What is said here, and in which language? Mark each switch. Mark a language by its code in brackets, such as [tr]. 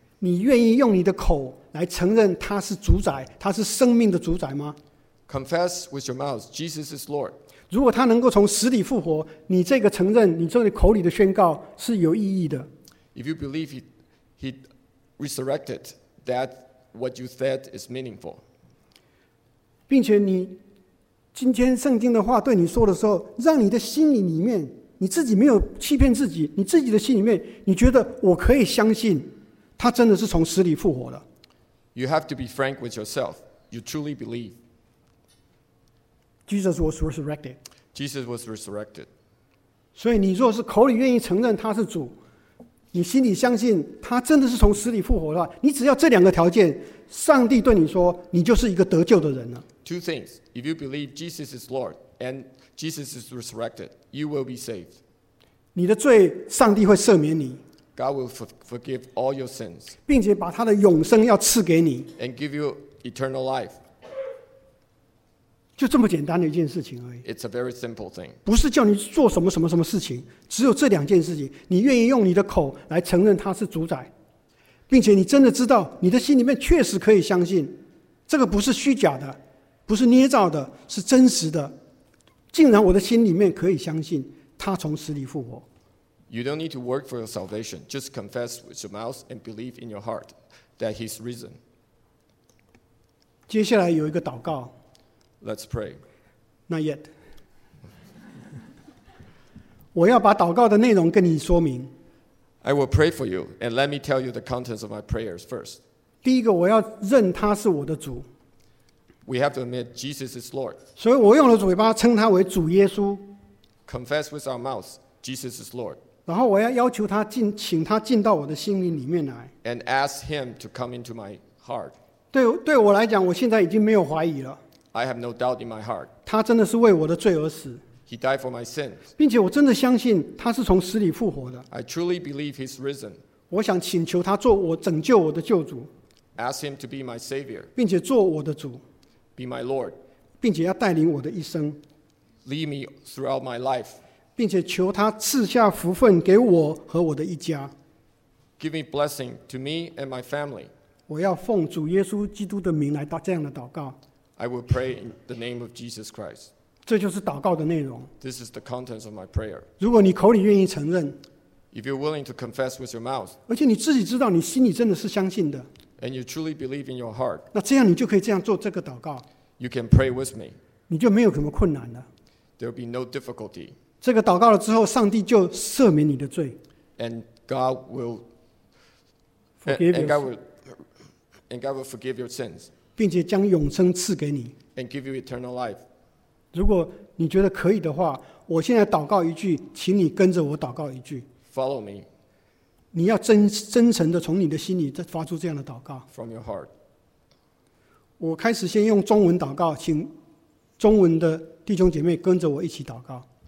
[zh] 你愿意用你的口来承认他是主宰，他是生命的主宰吗？ [en] Confess with your mouth, Jesus is Lord. [zh] 如果他能够从死里复活，你这个承认，你这个口里的宣告是有意义的。 [en] If you believe he resurrected, that what you said is meaningful. [zh] 并且你今天圣经的话对你说的时候，让你的心里里面，你自己没有欺骗自己，你自己的心里面，你觉得我可以相信。他真的是从死里复活的。 [en] You have to be frank with yourself. You truly believe. Jesus was resurrected. Jesus was resurrected. [zh] 所以你若是口里愿意承认他是主，你心里相信他真的是从死里复活的话，你只要这两个条件，上帝对你说，你就是一个得救的人了。 [en] Two things. If you believe Jesus is Lord and Jesus is resurrected, you will be saved. [zh] 你的罪，上帝会赦免你。 [en] God will forgive all your sins, [zh] 并且把他的永生要赐给你， [en] and give you eternal life. [zh] 就这么简单的一件事情而已。 [en] It's a very simple thing. [zh] 不是叫你做什么什么什么事情，只有这两件事情。你愿意用你的口来承认他是主宰，并且你真的知道你的心里面确实可以相信，这个不是虚假的，不是捏造的，是真实的。竟然我的心里面可以相信他从死里复活。 [en] You don't need to work for your salvation. Just confess with your mouth and believe in your heart that he's risen. [zh] 接下来有一个祷告。 [en] Let's pray. Not yet. [zh] 我要把祷告的内容跟你说明。 [en] I will pray for you, and let me tell you the contents of my prayers first. [zh] 第一个，我要认他是我的主。 [en] We have to admit Jesus is Lord. [zh] 所以我用了嘴巴称他为主耶稣。 [en] Confess with our mouths, Jesus is Lord. [zh] 然后我要要求他进，请他进到我的心灵里面来。 [en] And ask him to come into my heart. [zh] 对，对我来讲，我现在已经没有怀疑了。 [en] I have no doubt in my heart. [zh] 他真的是为我的罪而死。 [en] He died for my sins. [zh] 并且我真的相信他是从死里复活的。 [en] I truly believe he's risen. [zh] 我想请求他做我拯救我的救主。 [en] Ask him to be my savior. [zh] 并且做我的主。 [en] Be my Lord. [zh] 并且要带领我的一生。 [en] Lead me throughout my life. [zh] 并且求他赐下福分给我和我的一家。 [en] Give me blessing to me and my family. [zh] 我要奉主耶稣基督的名来打这样的祷告。 [en] I will pray in the name of Jesus Christ. [zh] 这就是祷告的内容。 [en] This is the contents of my prayer. [zh] 如果你口里愿意承认。 [en] If you're willing to confess with your mouth. [zh] 而且你自己知道你心里真的是相信的。 [en] And you truly believe in your heart. [zh] 那这样你就可以这样做这个祷告。 [en] You can pray with me. [zh] 你就没有什么困难了。 [en] There will be no difficulty. [zh] 这个祷告了之后，上帝就赦免你的罪。 [en] And God will forgive and God will forgive your sins. [zh] 并且将永生赐给你。 [en] And give you eternal life. [zh] 如果你觉得可以的话，我现在祷告一句，请你跟着我祷告一句。 [en] Follow me. [zh] 你要真诚的从你的心里发出这样的祷告。 [en] From your heart. [zh] 我开始先用中文祷告，请中文的弟兄姐妹跟着我一起祷告。